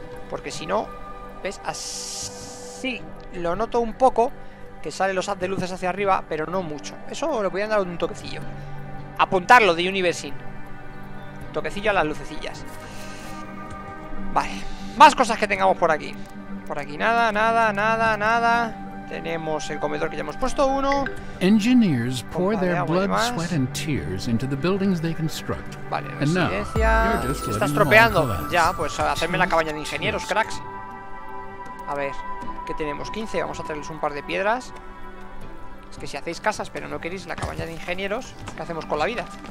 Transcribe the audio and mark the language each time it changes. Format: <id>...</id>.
<es>Porque si no, ¿ves? Así lo noto un poco, que sale los haz de luces hacia arriba, pero no mucho. Eso le voy a dar un toquecillo. Apuntarlo de Universing. Toquecillo a las lucecillas. Vale. Más cosas que tengamos por aquí. Por aquí nada, nada, nada, nada. Tenemos el comedor que ya hemos puesto uno.</es> <en>Engineers pour their blood, sweat and tears into the buildings they construct.</en> <es>Vale, residencia. Se está estropeando. Ya, pues hacerme la cabaña de ingenieros, cracks. A ver, ¿qué tenemos? 15, vamos a traerles un par de piedras. Es que si hacéis casas pero no queréis la cabaña de ingenieros, ¿qué hacemos con la vida?</es>